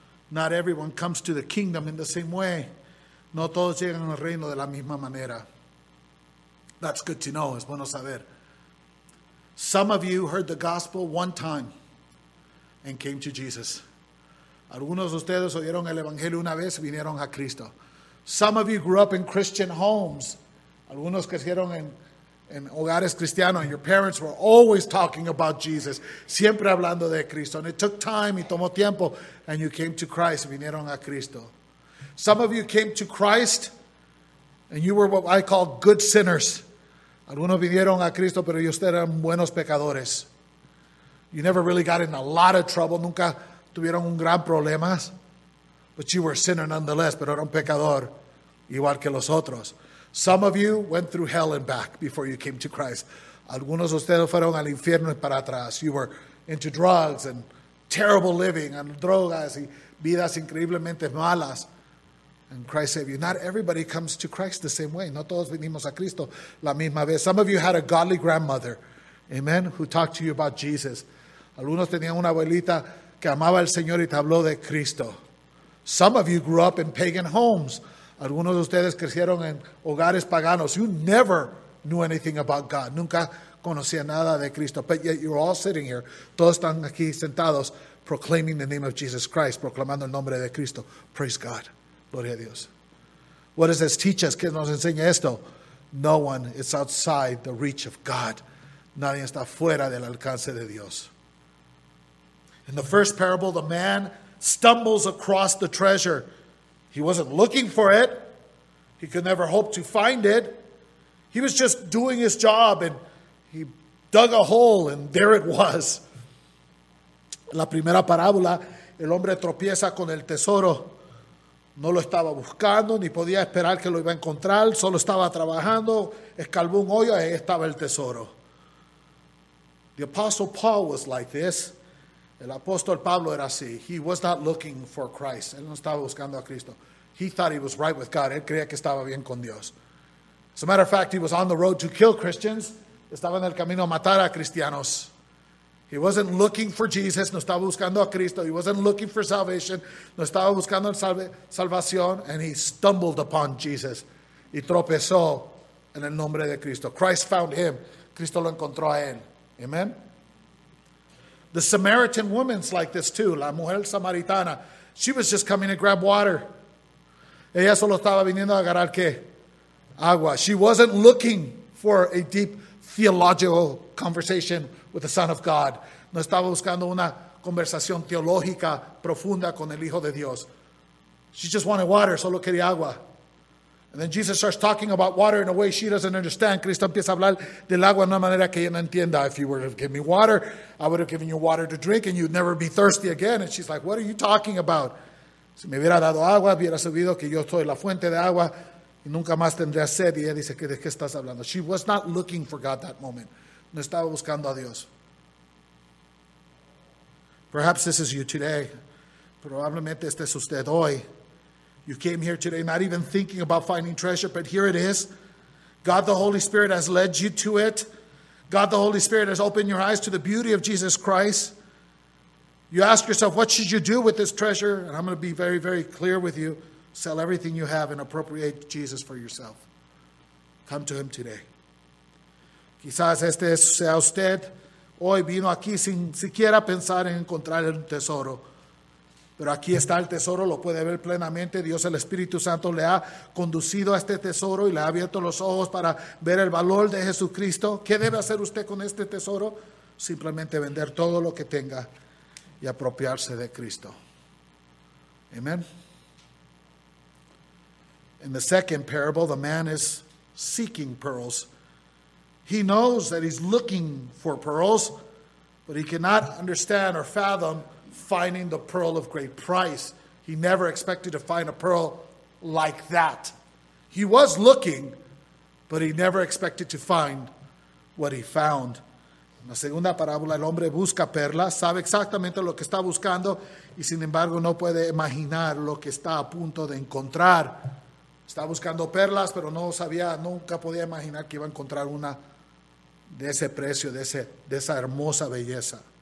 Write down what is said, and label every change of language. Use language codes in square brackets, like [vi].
[en] Not everyone comes to the kingdom in the same way. [es] No todos llegan al reino de la misma manera. [en] That's good to know. [es] Es bueno saber. [en] Some of you heard the gospel one time and came to Jesus. [es] Algunos de ustedes oyeron el evangelio una vez y vinieron a Cristo. [en] Some of you grew up in Christian homes. [es] Algunos crecieron en hogares cristianos, [en] and your parents were always talking about Jesus, [es] siempre hablando de Cristo. [en] And it took time, [es] y tomó tiempo, [en] and you came to Christ, [es] vinieron a Cristo. [en] Some of you came to Christ and you were what I call good sinners. [es] Algunos vinieron a Cristo, pero ellos eran buenos pecadores. [en] You never really got in a lot of trouble. [es] Nunca tuvieron un gran problema. [en] But you were a sinner nonetheless, [es] pero era un pecador, igual que los otros. [en] Some of you went through hell and back before you came to Christ. [es] Algunos de ustedes fueron al infierno y para atrás. [en] You were into drugs and terrible living and [es] drogas y vidas increíblemente malas. [en] And Christ saved you. Not everybody comes to Christ the same way. [es] No todos vinimos a Cristo la misma vez. [en] Some of you had a godly grandmother, amen, who talked to you about Jesus. [es] Algunos tenían una abuelita que amaba al Señor y te habló de Cristo. [en] Some of you grew up in pagan homes. [es] Algunos de ustedes crecieron en hogares paganos. [en] You never knew anything about God. [es] Nunca conocía nada de Cristo. [en] But yet you're all sitting here. [es] Todos están aquí sentados [en] proclaiming the name of Jesus Christ, [es] proclamando el nombre de Cristo. [en] Praise God. [es] Gloria a Dios. [en] What does this teach us? [es] ¿Qué nos enseña esto? [en] No one is outside the reach of God. [es] Nadie está fuera del alcance de Dios. [en] In the first parable, the man stumbles across the treasure. He wasn't looking for it. He could never hope to find it. He was just doing his job and he dug a hole and there it was. [es] La primera parábola, el hombre tropieza con el tesoro. No lo estaba buscando, ni podía esperar que lo iba a encontrar. Solo estaba trabajando, escarbó un hoyo, ahí estaba el tesoro. [en] The Apostle Paul was like this. [es] El apóstol Pablo era así. [en] He was not looking for Christ. [es] Él no estaba buscando a Cristo. [en] He thought he was right with God. [es] Él creía que estaba bien con Dios. [en] As a matter of fact, he was on the road to kill Christians. [es] Estaba en el camino a matar a cristianos. [en] He wasn't looking for Jesus. [es] No estaba buscando a Cristo. [en] He wasn't looking for salvation. [es] No estaba buscando salvación. [en] And he stumbled upon Jesus. [es] Y tropezó en el nombre de Cristo. [en] Christ found him. [es] Cristo lo encontró a él. [en] Amen. The Samaritan woman's like this too. [es] La mujer samaritana. [en] She was just coming to grab water. [es] Ella solo estaba viniendo a agarrar qué? Agua. [en] She wasn't looking for a deep theological conversation with the Son of God. [es] No estaba buscando una conversación teológica profunda con el Hijo de Dios. [en] She just wanted water. [es] Solo quería agua. [en] And then Jesus starts talking about water in a way she doesn't understand. [es] Cristo empieza a hablar del agua de una manera que ella no entienda. [en] If you were to give me water, I would have given you water to drink and you'd never be thirsty again. And she's like, what are you talking about? [es] Si me hubiera dado agua, hubiera sabido que yo soy la fuente de agua y nunca más tendría sed. Y ella dice, ¿de qué estás hablando? [en] She was not looking for God that moment. [es] No estaba buscando a Dios. [en] Perhaps this is you today. [es] Probablemente este es usted hoy. [en] You came here today not even thinking about finding treasure, but here it is. God the Holy Spirit has led you to it. God the Holy Spirit has opened your eyes to the beauty of Jesus Christ. You ask yourself, what should you do with this treasure? And I'm going to be very, very clear with you. Sell everything you have and appropriate Jesus for yourself. Come to him today. [es] Quizás este sea usted. Hoy vino aquí sin siquiera pensar en encontrar el tesoro. Pero aquí está el tesoro, lo puede ver plenamente. Dios, el Espíritu Santo, le ha conducido a este tesoro y le ha abierto los ojos para ver el valor de Jesucristo. ¿Qué debe hacer usted con este tesoro? Simplemente vender todo lo que tenga y apropiarse de Cristo. Amen. [en] In the second parable, the man is seeking pearls. He knows that he's looking for pearls, but he cannot understand or fathom finding the pearl of great price. He never expected to find a pearl like that. He was looking, but he never expected to find what he found. [es] En la segunda parábola, el hombre busca perlas, sabe exactamente lo que está buscando, y sin embargo no puede imaginar lo que está a punto de encontrar. Está buscando perlas, pero no sabía, nunca podía imaginar que iba a encontrar una de ese precio, de esa hermosa belleza.